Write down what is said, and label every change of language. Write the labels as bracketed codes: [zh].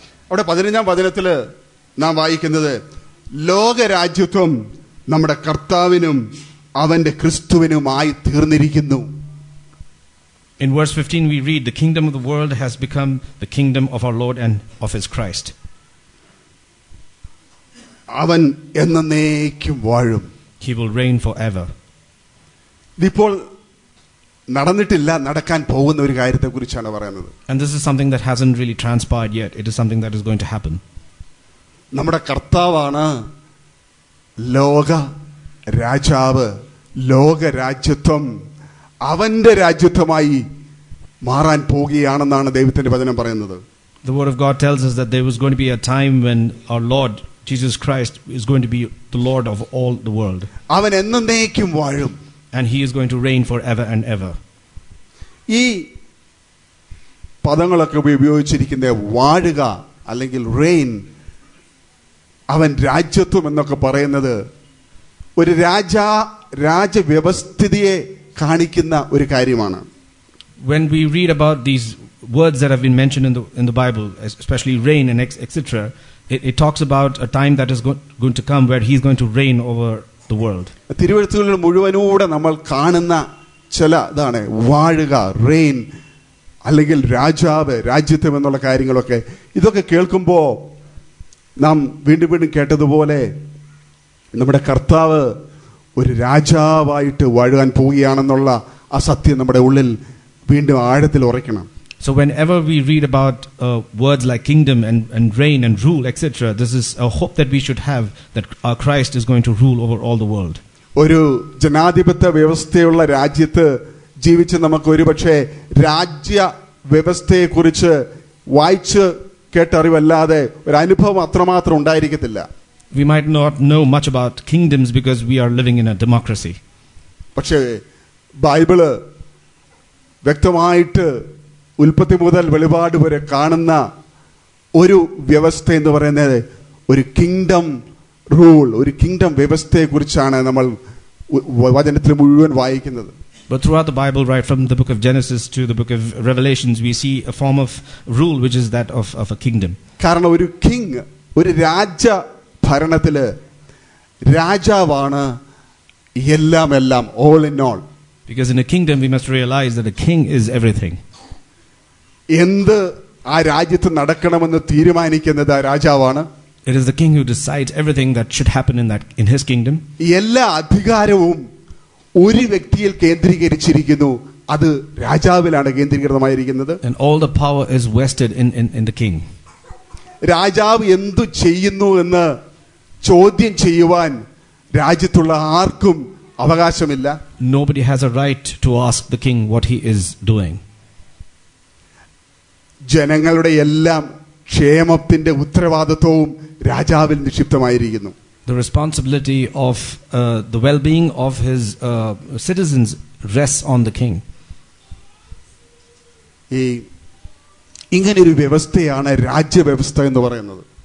[ml] അവിടെ 15-ാം വചനത്തില് നാം വായിക്കുന്നത്, ലോകരാജ്യത്വം നമ്മുടെ കർത്താവിനും അവന്റെ ക്രിസ്തുവിനുമായി തീർന്നിരിക്കുന്നു. [en] In verse 15 we read, the kingdom of the world has become the kingdom of our Lord and of his Christ. [ml] അവൻ എന്നേക്കും വാഴും. [en] He will reign forever. [ml] ഇപ്പോൾ നടന്നിട്ടില്ല, നടക്കാൻ പോകുന്ന ഒരു കാര്യത്തെ കുറിച്ചാണ് പറയുന്നത്. [en] And this is something that hasn't really transpired yet. It is something that is going to happen. [ml] നമ്മുടെ കർത്താവാണ് ലോക രാജാവ്, ലോകരാജ്യത്വം അവന്റെ രാജ്യത്വമായി മാറാൻ പോകുകയാണെന്നാണ് ദൈവത്തിന്റെ വചനം പറയുന്നത്. [en] The word of God tells us that there was going to be a time when our Lord Jesus Christ is going to be the Lord of all the world. [ml] അവൻ എന്നേക്കും വാഴും. [en] And he is going to reign forever and ever. [ml] ഈ പദങ്ങളൊക്കെ ഉപയോഗിച്ചിരിക്കുന്ന വാഴുക അല്ലെങ്കിൽ reign, അവൻ രാജ്യത്വം എന്നൊക്കെ പറയുന്നത് ഒരു രാജവ്യവസ്ഥിതിയെ കാണിക്കുന്ന ഒരു കാര്യമാണ്. [en] When we read about these words that have been mentioned in the Bible, especially reign and etc., it talks about a time that is going to come where he is going to reign over the world. [ml] തിരുവെഴുത്തുകളിൽ മുഴുവനോടെ നമ്മൾ കാണുന്ന ചില ഇതാണ് വാഴുക, reign, അല്ലെങ്കിൽ രാജാവ് രാജ്യത്വം എന്നുള്ള കാര്യങ്ങളൊക്കെ ഇതൊക്കെ കേൾക്കുമ്പോൾ നാം വീണ്ടും വീണ്ടും കേട്ടതുപോലെ നമ്മുടെ കർത്താവ് ഒരു രാജാവായിട്ട് വാഴുവാൻ പോവുകയാണെന്നുള്ള ആ സത്യം നമ്മുടെ ഉള്ളിൽ വീണ്ടും ആഴത്തിൽ ഉറയ്ക്കണം. [en] So whenever we read about words like kingdom and reign and rule etc, this is a hope that we should have that our Christ is going to rule over all the world. [ml] ഒരു ജനാധിപത്യ വ്യവസ്ഥയുള്ള രാജ്യത്തെ ജീവിച്ച് നമുക്ക് ഒരുപക്ഷേ രാജ്യ വ്യവസ്ഥയെ കുറിച്ച് വായിച്ച് കേട്ടറിവല്ലാതെ ഒരു അനുഭവം അത്രമാത്രം ഉണ്ടായിരിക്കത്തില്ല. [en] We might not know much about kingdoms because we are living in a democracy. [ml] പക്ഷേ ബൈബിള് വ്യക്തമായിട്ട് ഉൽപ്പത്തി മുതൽ വെളിപാട് വരെ കാണുന്ന ഒരു വ്യവസ്ഥ എന്ന് പറയുന്നത് ഒരു കിങ്ഡം റൂൾ, ഒരു കിങ്ഡം വ്യവസ്ഥയെ കുറിച്ചാണ് നമ്മൾ വചനത്തിൽ മുഴുവൻ വായിക്കുന്നത്. [en] But throughout the Bible, right from the book of Genesis to the book of Revelations, we see a form of rule which is that of a kingdom. [ml] കാരണം ഒരു കിങ് ഒരു രാജ ഭരണത്തില് രാജാവാണ് എല്ലാം, [en] All in all. Because in a kingdom we must realize that a king is everything. [ml] എന്ത് ആ രാജ്യത്ത് നടക്കണമെന്ന് തീരുമാനിക്കുന്നത് ആ രാജാവാണ്. [en] It is the king who decides everything that should happen in his kingdom. [ml] എല്ലാ അധികാരവും ഒരു വ്യക്തിയിൽ കേന്ദ്രീകരിച്ചിരിക്കുന്നു, അത് രാജാവിലാണ് കേന്ദ്രീകൃതമായിരിക്കുന്നത്. [en] And all the power is vested in the king. [ml] രാജാവ് എന്തു ചെയ്യുന്നു എന്ന് ചോദ്യം ചെയ്യുവാൻ രാജ്യത്തുള്ള ആർക്കും അവകാശമില്ല. [en] Nobody has a right to ask the king what he is doing. [ml] ജനങ്ങളുടെ എല്ലാം ക്ഷേമത്തിന്റെ ഉത്തരവാദിത്വവും രാജാവിൽ നിക്ഷിപ്തമായിരിക്കുന്നു. [en] The responsibility of the well-being of his citizens rests on the king. [ml] ഈ ഇങ്ങനെ ഒരു വ്യവസ്ഥയാണ് രാജ്യവ്യവസ്ഥ എന്ന് പറയുന്നത്.